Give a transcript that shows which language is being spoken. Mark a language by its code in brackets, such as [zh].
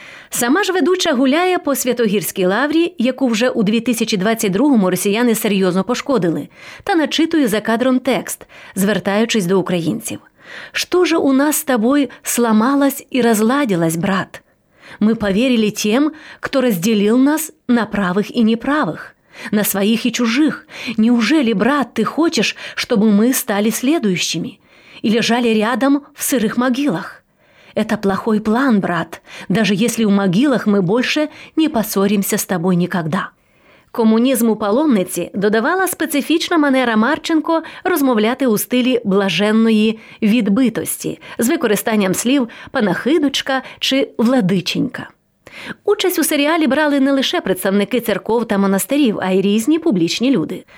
[uk] Сама ж ведуча гуляє по Святогірській лаврі, яку вже у 2022-му росіяни серйозно пошкодили, та начитує за кадром текст, звертаючись до українців: «Що ж у нас з тобою сламалась і розладилась, брат? Ми повірили тим, хто розділив нас на правих і неправих, на своїх і чужих. Неужелі, брат, ти хочеш, щоб ми стали слідуючими і лежали рядом в сирих могилах? [ru] Это плохой план, брат, даже если в могилах мы больше не поссоримся с тобой никогда». [uk] Комунізму паломниці додавала специфічна манера Марченко розмовляти у стилі блаженної відбитості з використанням слів «панахидочка» чи «владиченька». Участь у серіалі брали не лише представники церков та монастирів, а й різні публічні люди.